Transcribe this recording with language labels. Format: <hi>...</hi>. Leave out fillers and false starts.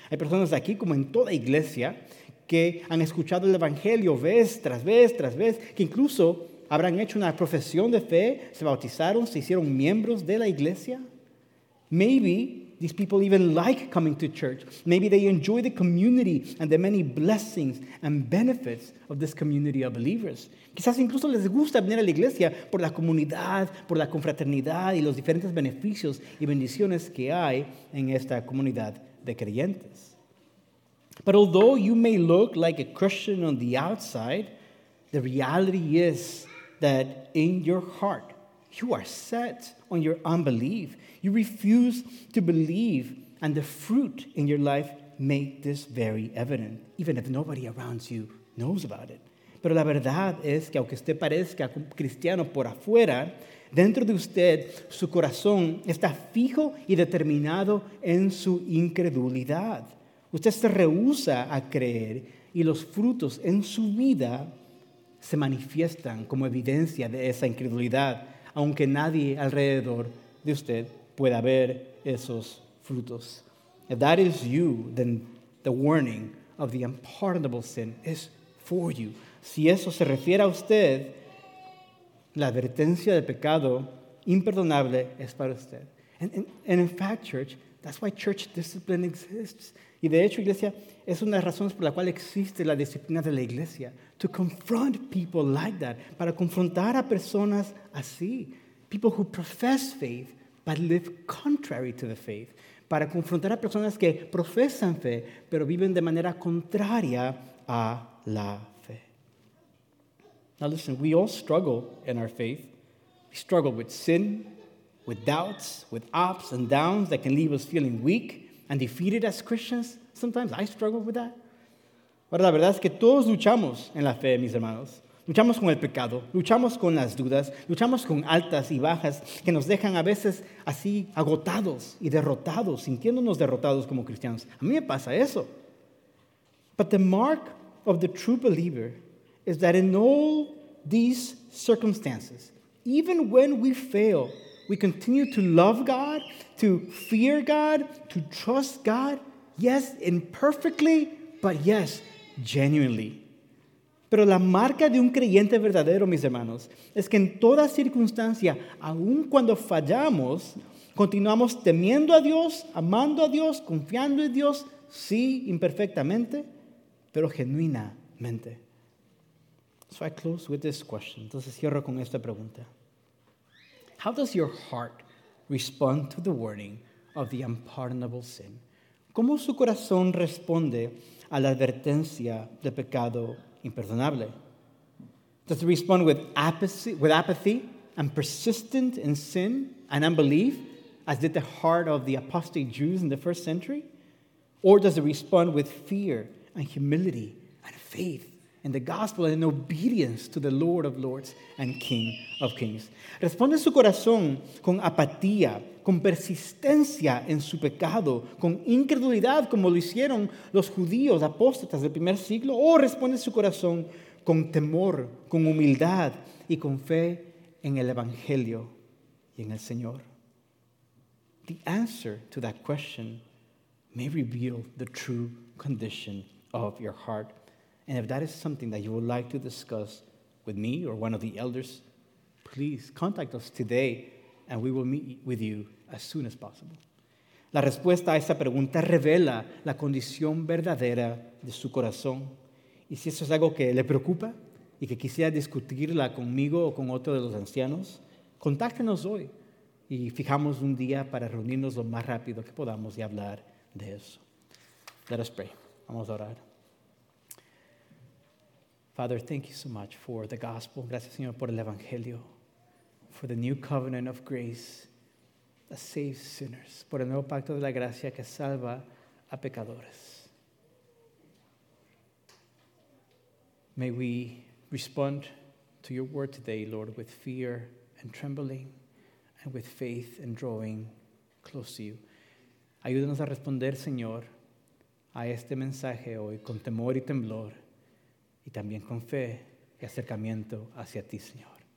<es>Hay personas aquí, como en toda iglesia, que han escuchado el Evangelio vez tras vez tras vez, que incluso habrán hecho una profesión de fe, se bautizaron, se hicieron miembros de la iglesia.</es> <en>Maybe these people even like coming to church. Maybe they enjoy the community and the many blessings and benefits of this community of believers.</en> <es>Quizás incluso les gusta venir a la iglesia por la comunidad, por la confraternidad y los diferentes beneficios y bendiciones que hay en esta comunidad de creyentes.</es> <en>But although you may look like a Christian on the outside, the reality is that in your heart, you are set on your unbelief. You refuse to believe, and the fruit in your life make this very evident, even if nobody around you knows about it.</en> <es>Pero la verdad es que, aunque usted parezca cristiano por afuera, dentro de usted, su corazón está fijo y determinado en su incredulidad. Usted se rehúsa a creer, y los frutos en su vida se manifiestan como evidencia de esa incredulidad, aunque nadie alrededor de usted pueda ver esos frutos.</es> <en>If that is you, then the warning of the unpardonable sin is for you.</en> <es>Si eso se refiere a usted, la advertencia del pecado imperdonable es para usted.</es> <en>And in fact, church, that's why church discipline exists.</en> <es>Y de hecho, iglesia, es una de las razones por la cual existe la disciplina de la iglesia.</es> <en>To confront people like that,</en> <es>para confrontar a personas así.</es> <en>People who profess faith, but live contrary to the faith.</en> <es>Para confrontar a personas que profesan fe, pero viven de manera contraria a la fe.</es> <en>Now listen, we all struggle in our faith. We struggle with sin, with doubts, with ups and downs that can leave us feeling weak and defeated as Christians. Sometimes I struggle with that.</en> <es>Pero la verdad es que todos luchamos en la fe, mis hermanos. Luchamos con el pecado, luchamos con las dudas, luchamos con altas y bajas que nos dejan a veces así agotados y derrotados, sintiéndonos derrotados como cristianos. A mí me pasa eso.</es> <en>But the mark of the true believer is that in all these circumstances, even when we fail, we continue to love God, to fear God, to trust God, yes, imperfectly, but yes, genuinely.</en> <es>Pero la marca de un creyente verdadero, mis hermanos, es que en toda circunstancia, aun cuando fallamos, continuamos temiendo a Dios, amando a Dios, confiando en Dios, sí, imperfectamente, pero genuinamente.</es> <en>So I close with this question.</en> <es>Entonces cierro con esta pregunta.</es> <en>How does your heart respond to the warning of the unpardonable sin?</en> <es>¿Cómo su corazón responde a la advertencia de pecado imperdonable?</es> <en>Does it respond with apathy and persistent in sin and unbelief, as did the heart of the apostate Jews in the first century? Or does it respond with fear and humility and faith in the gospel and in obedience to the Lord of Lords and King of Kings?</en> <es>¿Responde su corazón con apatía, con persistencia en su pecado, con incredulidad como lo hicieron los judíos apóstatas del primer siglo? ¿O responde su corazón con temor, con humildad y con fe en el Evangelio y en el Señor?</es> <en>The answer to that question may reveal the true condition of your heart. And if that is something that you would like to discuss with me or one of the elders, please contact us today and we will meet with you as soon as possible.</en> <es>La respuesta a esa pregunta revela la condición verdadera de su corazón. Y si eso es algo que le preocupa y que quisiera discutirla conmigo o con otro de los ancianos, contáctenos hoy y fijamos un día para reunirnos lo más rápido que podamos y hablar de eso.</es> <en>Let us pray.</en> <es>Vamos a orar.</es> <en>Father, thank you so much for the gospel.</en> <es>Gracias, Señor, por el Evangelio.</es> <en>For the new covenant of grace that saves sinners.</en> <es>Por el nuevo pacto de la gracia que salva a pecadores.</es> <en>May we respond to your word today, Lord, with fear and trembling and with faith and drawing close to you.</en> <es>Ayúdanos a responder, Señor, a este mensaje hoy con temor y temblor y también con fe y acercamiento hacia ti, Señor.</es>